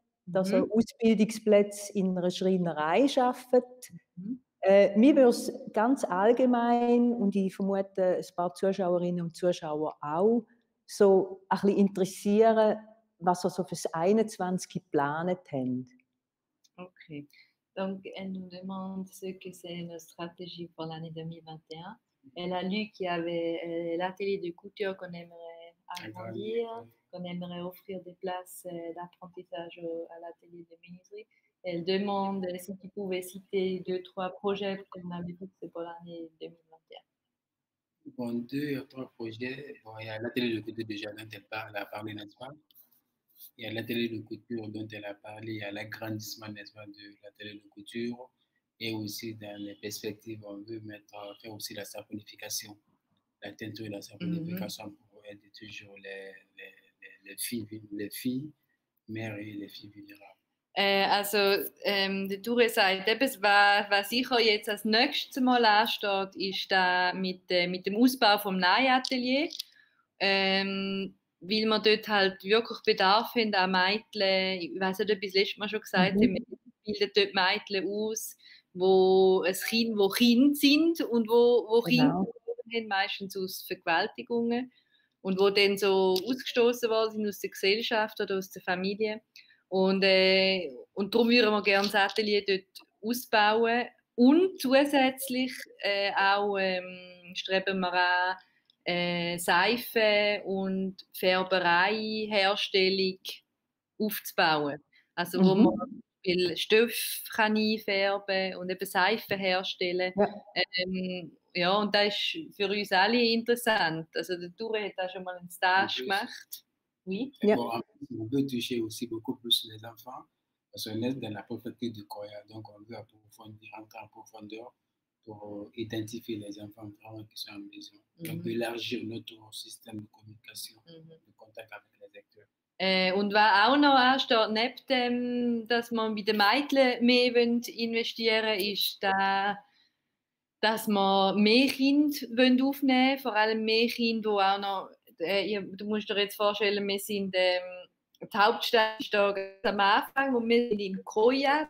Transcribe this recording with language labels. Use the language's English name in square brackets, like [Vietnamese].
[German] Dass er Ausbildungsplätze in einer Schreinerei arbeitet. Mir würde es ganz allgemein, und ich vermute ein paar Zuschauerinnen und Zuschauer auch, so ein bisschen interessieren, was ihr so für das 21. geplant habt. Okay. [French] Donc, elle nous demande ce que c'est notre stratégie pour l'année 2021. Elle a lu qu'il y avait l'atelier de couture qu'on aimerait agrandir. On aimerait offrir des places d'apprentissage à l'atelier de menuiserie. Elle demande si tu pouvais citer deux, trois projets qu'on avait tous pour l'année 2021. Bon, deux ou trois projets. Bon, il y a l'atelier de couture déjà dont elle a parlé, n'est-ce pas? Il y a l'atelier de couture dont elle a parlé, il y a l'agrandissement, n'est-ce pas, de l'atelier de couture. et aussi dans les perspectives, on veut mettre, faire aussi la saponification, la teinture et la saponification pour aider toujours les filles mères et les filles vulnérables. [German] Also, die Ture sagt, etwas, was sicher jetzt als nächstes Mal ansteht, ist da mit dem Ausbau vom Nähatelier. Weil wir dort halt wirklich Bedarf haben, auch Mädchen, ich weiß nicht, ob ich das letzte Mal schon gesagt habe, wir bilden dort Mädchen aus, wo Kinder sind und wo Kinder haben, meistens aus Vergewaltigungen und wo dann so ausgestoßen worden sind aus der Gesellschaft oder aus der Familie. Und darum würden wir gerne das Atelier dort ausbauen. Und zusätzlich streben wir an, Seife und Färbereiherstellung aufzubauen. Also wo man viel Stoff einfärben kann und eben Seife herstellen. Ja, und das ist für uns alle interessant. Also der Touré hat da schon mal einen Stage gemacht. Oui. Yeah. [French] Bon, on veut toucher aussi beaucoup plus les enfants parce qu'on est dans la préfecture du Koya, donc on veut approfondir, rentrer en profondeur pour identifier les enfants vraiment qui sont en maison, donc élargir notre système de communication, de contact avec les acteurs. [German] Und was auch noch ansteht, neben dem, dass man bei den Mädchen mehr investieren will, ist da, dass man mehr Kinder aufnehmen will, vor allem mehr Kinder, die auch noch. Du musst dir jetzt vorstellen, wir sind die Hauptstadt ist da am Anfang und wir sind in Koya.